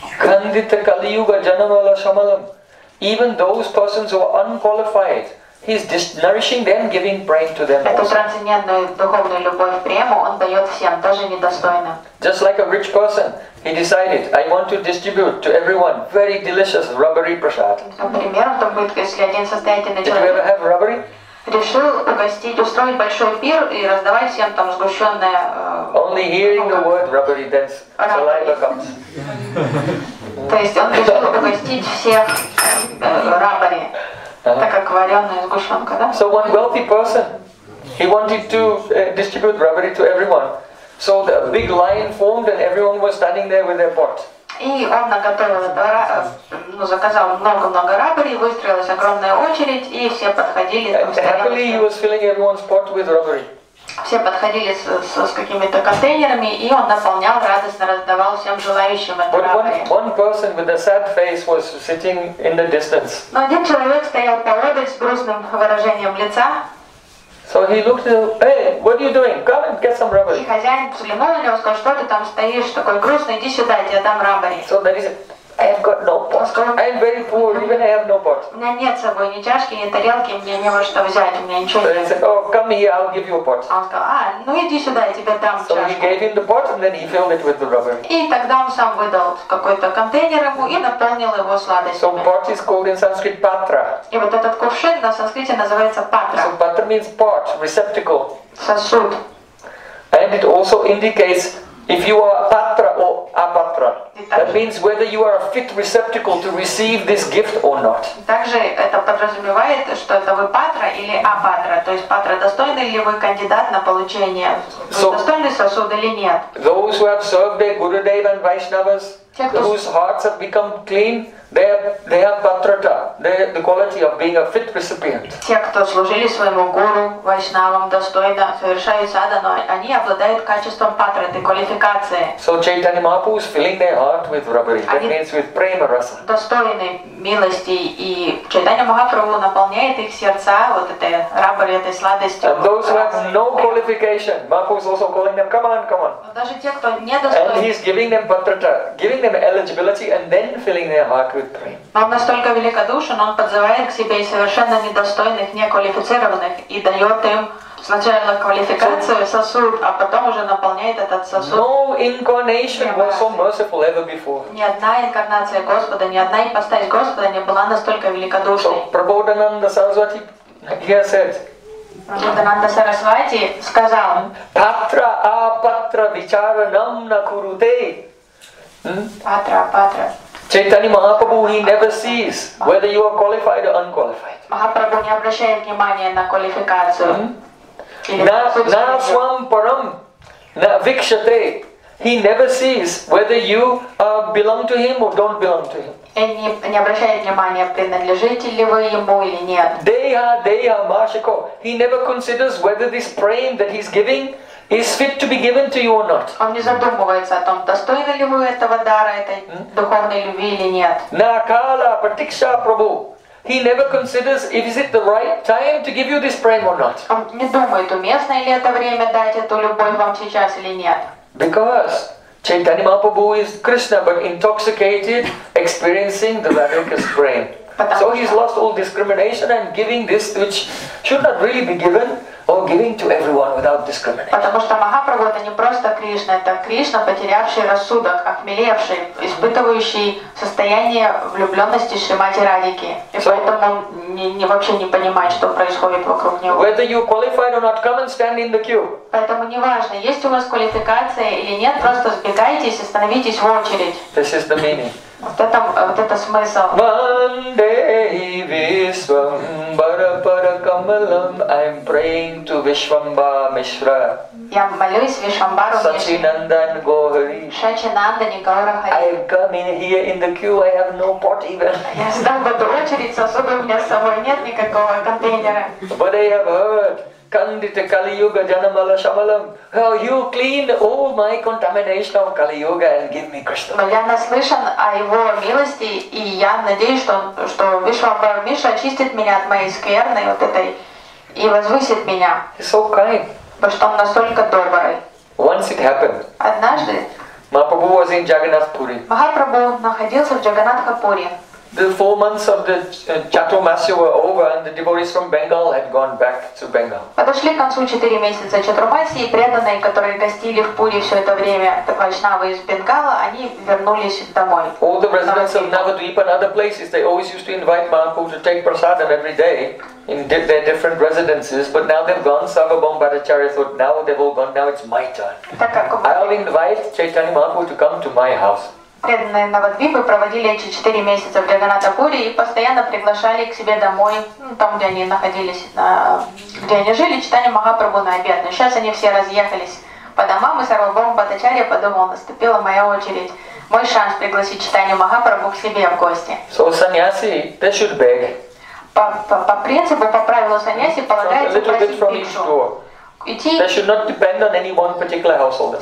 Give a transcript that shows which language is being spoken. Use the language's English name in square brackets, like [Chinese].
[Sanskrit] Kandita Kaliyuga Janamala Shamalam. [English] Even those persons who are unqualified, he's nourishing them, giving prema to them. [Russian] Эту трансцендентную духовную любовь, прему, он дает всем, даже недостойным. [English] Just like a rich person, he decided, I want to distribute to everyone very delicious rubbery prasad. [Russian] Например, он так будет, если один состоятельный человек. [English] Did you ever have rubbery? [Russian] Решил угостить, устроить большой пир и раздавать всем там сгущенное. [English] Only hearing the word rubbery, then saliva comes. [Russian] То есть он решил угостить всех rubbery, так как вареная сгущенка, да? [English] So one wealthy person, he wanted to distribute rubbery to everyone. So the big line formed and everyone was standing there with their pot. [Russian] И он заказал много-много рабри, выстроилась огромная очередь, и все подходили. [English] Happily he was filling everyone's pot with rubbery. [Russian] Все подходили с какими-то контейнерами, и он наполнял радостно, раздавал всем желающим это рабри. [English] One person with a sad face was sitting in the distance. [Russian] Но один человек стоял поодаль с грустным выражением лица. [English] So he looked at him, hey, what are you doing? Come and get some rubbery. [Russian] И хозяин взглянул на него, сказал, что ты там стоишь, такой грустный, иди сюда, я тебе дам руббери. [English] So then he said, I have got no pot. I'm very poor, even I have no pot. [Russian] У меня нет с собой ни чашки, ни тарелки, мне не во что взять, у меня ничего нет. [English] So he said, oh, come here, I'll give you a pot. [Russian] Он сказал, ну иди сюда, я тебе дам чашку. [English] So he gave him the pot and then he filled it with the rubbery. [Russian] И тогда он сам выдал какой-то контейнер ему и наполнил его сладостями. [English] So pot is called in Sanskrit patra. [Russian] И вот этот кувшин на санскрите называется патра. [English] So patra means pot, receptacle. [Russian] Сосуд. [English] And it also indicates if you are patra or apatra. That means whether you are a fit receptacle to receive this gift or not. [Russian] Также это подразумевает, что это вы патра или апатра, то есть патра, достойный ли вы кандидат на получение, достойный сосуд или нет. [English] Those who have served their Gurudev and Vaishnavas, whose hearts have become clean, they have patrata, the quality of being a fit recipient. [Russian] Те, кто служили своему гуру, вайшнавам, достойно, совершая садхану, они обладают качеством патраты, квалификации. [English] So Chaitanya Mahaprabhu is filling their heart with rabari, that means with prema rasa. [Russian] Достойны милости, и Чайтанья Махапрабху наполняет их сердца вот этой рабари, этой сладостью. [English] And those who have no qualification, Mahaprabhu is also calling them, come on, come on. [Russian] Даже те, кто недостойны. [English] And he is giving them patrata, giving them eligibility and then filling their heart. [Russian] Он настолько великодушен, он подзывает к себе совершенно недостойных, неквалифицированных и дает им сначала квалификацию, сосуд, а потом уже наполняет этот сосуд. [English] No incarnation was so merciful ever before. [Russian] Ни одна инкарнация Господа, ни одна ипостась Господа не была настолько великодушной. [English] So, Прабодхананда Сарасвати, he said, [Russian] Прабодхананда Сарасвати сказал, [Sanskrit] Патра апатра вичаранам накуруте. Патра апатра. [English] Chaitanya Mahaprabhu, he never sees whether you are qualified or unqualified. [Russian] Mahaprabhu не обращает внимания на квалификацию. [Sanskrit] На свам парам на викшате, [English] he never sees whether you belong to him or don't belong to him. [Russian] И не обращает внимания, принадлежите ли вы ему или нет. [Sanskrit] Deha, deha, mashiko, [English] he never considers whether this prem that he's giving is fit to be given to you or not. [Russian] Он не задумывается о том, достойны ли вы этого дара, этой духовной любви или нет. [Sanskrit] На кала пратикша прабу. [English] He never considers if is it the right time to give you this prem or not. [Russian] Он не думает, уместно ли это время дать эту любовь вам сейчас или нет. [English] Because Chaitanya Mahaprabhu is Krishna, but intoxicated, experiencing the Radhika's prem. So he's lost all discrimination and giving this which should not really be given, or giving to everyone without discrimination. [Russian] Потому что Махапрабху это не просто Кришна, это Кришна, потерявший рассудок, охмелевший, испытывающий состояние влюбленности Шримати Радики. И so, поэтому не вообще не понимает, что происходит вокруг него. [English] Whether you qualified or not, come and stand in the queue. [Russian] Поэтому неважно, есть у вас квалификация или нет, просто сбегайтесь и становитесь в очередь. [English] This is the meaning. [Russian] Вот это смысл. [Sanskrit] Ванде Вишвамбара Паракамалам, [English] I'm praying to Вишвамба Мишра. [Russian] Я молюсь Вишвамбару Мишра. [Sanskrit] Сачинандан Гохари. Сачинандан Гохари. [English] I've come in here in the queue, I have no pot even. [Russian] Я сдам в эту очередь, сосуда у меня с собой нет никакого контейнера. [English] But I have heard. [Sanskrit] Kandita Kali Yuga Janamala Shamalam. [English] How you clean all my contamination of Kali Yuga and give me Krishna. [Russian] Но я наслышан о его милости, и я надеюсь, что Вишвамбар Миша очистит меня от моей скверны вот этой и возвысит меня. [English] So kind. [Russian] Потому что он настолько добрый. [English] Once it happened. [Russian] Однажды. [English] Mahaprabhu was in Jagannath Puri. [Russian] Махапрабху находился в Джаганатхапуре. [English] The 4 months of the Chaturmasya were over, and the devotees from Bengal had gone back to Bengal. [Russian] Подошли к концу 4 месяца Чатурмасии, преданные, которые гостили в Пури все это время, вайшнавы из Бенгала, они вернулись домой. [English] All the residents of Navadvip and other places, they always used to invite Mahaprabhu to take prasadam every day in their different residences, but now they've gone. Sarvabhauma Bhattacharya thought, now they've all gone. Now it's my turn. I'll invite Chaitanya Mahaprabhu to come to my house. [Russian] Преданные Навадвипы проводили эти 4 месяца в Джаганатхапуре и постоянно приглашали к себе домой, ну, там, где они находились, где они жили, читали Махапрабху на обед. Но сейчас они все разъехались по домам, и Сарвабхаума Бхаттачарья подумал, наступила моя очередь, мой шанс пригласить читали Махапрабху к себе в гости. [English] So, саньяси, they should beg. [Russian] По принципу, по правилу саньяси, полагается просить [Sanskrit] бхикшу. [English] They should not depend on any one particular householder.